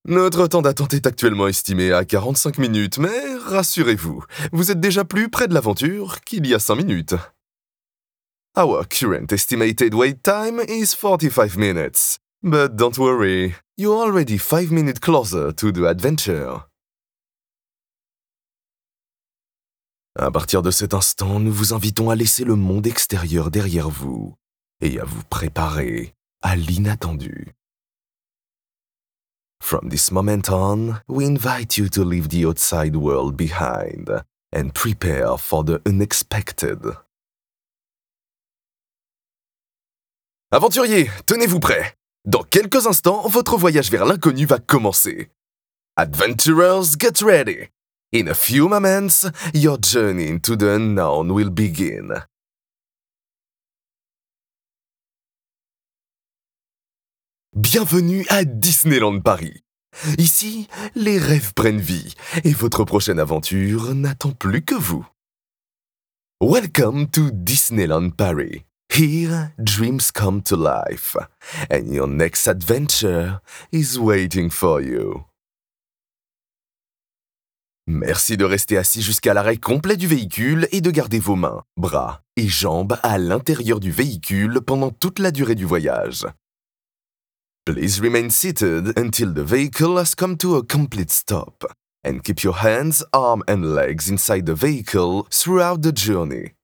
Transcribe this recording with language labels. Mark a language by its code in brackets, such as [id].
[fr] Notre temps d'attente est actuellement estimé à 45 minutes, mais rassurez-vous, vous êtes déjà plus près de l'aventure qu'il y a 5 minutes. [en] Our current estimated wait time is 45 minutes. But don't worry, you're already 5 minutes closer to the adventure. [fr] À partir de cet instant, nous vous invitons à laisser le monde extérieur derrière vous et à vous préparer à l'inattendu. [en] From this moment on, we invite you to leave the outside world behind and prepare for the unexpected. [fr] Aventuriers, tenez-vous prêts. Dans quelques instants, votre voyage vers l'inconnu va commencer. [en] Adventurers, get ready. In a few moments, your journey into the unknown will begin. [fr] Bienvenue à Disneyland Paris. Ici, les rêves prennent vie et votre prochaine aventure n'attend plus que vous. [en] Welcome to Disneyland Paris. Here, dreams come to life, and your next adventure is waiting for you. [fr] Merci de rester assis jusqu'à l'arrêt complet du véhicule et de garder vos mains, bras et jambes à l'intérieur du véhicule pendant toute la durée du voyage. [en] Please remain seated until the vehicle has come to a complete stop, and keep your hands, arms and legs inside the vehicle throughout the journey.